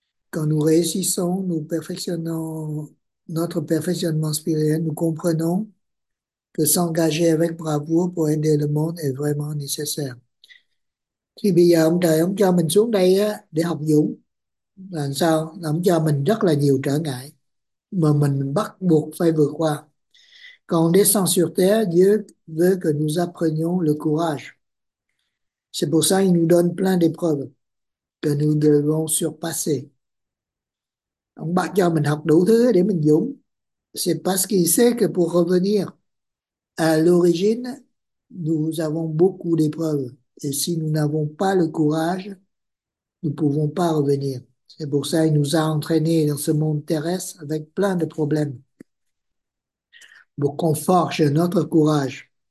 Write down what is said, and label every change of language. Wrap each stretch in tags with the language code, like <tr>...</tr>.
<fr>Quand nous réussissons, nous perfectionnons notre perfectionnement spirituel, nous comprenons que s'engager avec bravoure pour aider le monde est vraiment nécessaire.</fr> <vi>Thì bây giờ ông trời ông cho mình xuống đây á, để học dũng làm sao, ông cho mình rất là nhiều trở ngại mà mình bắt buộc phải vượt qua.</vi> <fr>Còn descend sur terre, Dieu veut que nous apprenions le courage. C'est pour ça qu'il nous donne plein d'épreuves que nous devons surpasser.</fr> <vi>Ông bắt cho mình học đủ thứ để mình dũng.</vi> <fr>C'est parce qu'il sait que pour revenir à l'origine, nous avons beaucoup d'épreuves. Et si nous n'avons pas le courage, nous ne pouvons pas revenir. C'est pour ça qu'il nous a entraînés dans ce monde terrestre avec plein de problèmes, pour qu'on forge notre courage.</fr>